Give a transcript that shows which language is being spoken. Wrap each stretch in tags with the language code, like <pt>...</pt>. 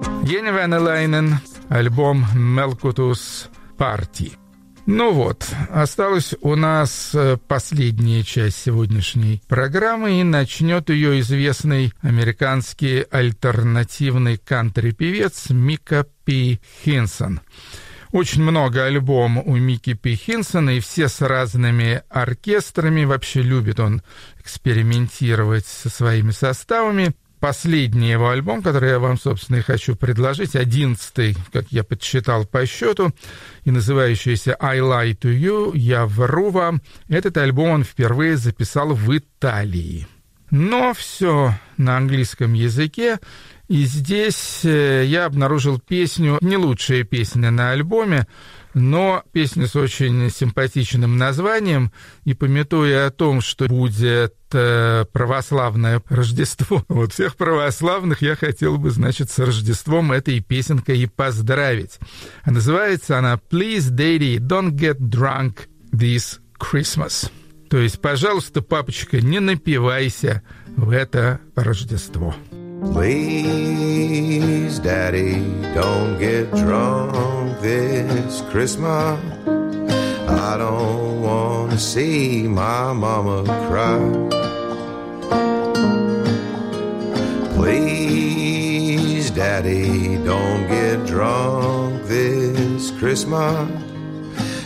<ru>Ben Venelainen, альбом Melkutus Party. Ну вот, осталась у нас последняя часть сегодняшней программы, и начнет ее известный американский альтернативный кантри-певец Мика Пи Хинсон. Очень много альбомов у Мики Пи Хинсона, и все с разными оркестрами. Вообще любит он экспериментировать со своими составами. Последний его альбом, который я вам, собственно, и хочу предложить, 11-й, как я подсчитал по счету, и называющийся «I lie to you», «Я вру вам», этот альбом он впервые записал в Италии. Но все на английском языке, и здесь я обнаружил песню, не лучшая песня на альбоме, но песня с очень симпатичным названием, и памятуя о том, что будет православное Рождество, вот всех православных я хотел бы, значит, с Рождеством этой песенкой и поздравить. А называется она «Please, Daddy, don't get drunk this Christmas». То есть, пожалуйста, папочка, не напивайся в это Рождество.</ru> <en>Please, Daddy, don't get drunk this Christmas. I don't want to see my mama cry. Please, Daddy, don't get drunk this Christmas.</en>